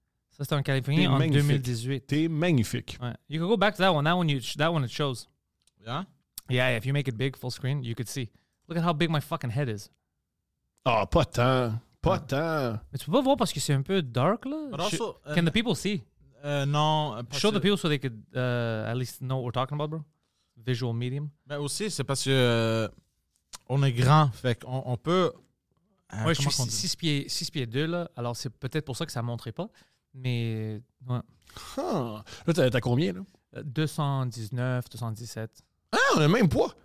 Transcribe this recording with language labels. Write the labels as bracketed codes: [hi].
[fr] Ça c'était en Californie en 2018. T'es magnifique. Ouais. [en] You can go back to that one. That one it shows. Yeah? Yeah, if you make it big, full screen, you could see. Look at how big my fucking head is. [fr] Oh, pas tant. Pas ouais. tant. Mais tu peux pas voir parce que c'est un peu dark là? [en] But also, can the people see? [fr] Non. [en] Show the people so they could at least know what we're talking about, bro. Visual medium. [fr] Mais aussi, c'est parce que. On est grand, fait qu'on peut. Moi, je suis 6 pieds 2, là. Alors, c'est peut-être pour ça que ça ne montrait pas. Mais. Ouais. Huh. Là, t'as combien, là? 219, 217. Ah, on a le même poids.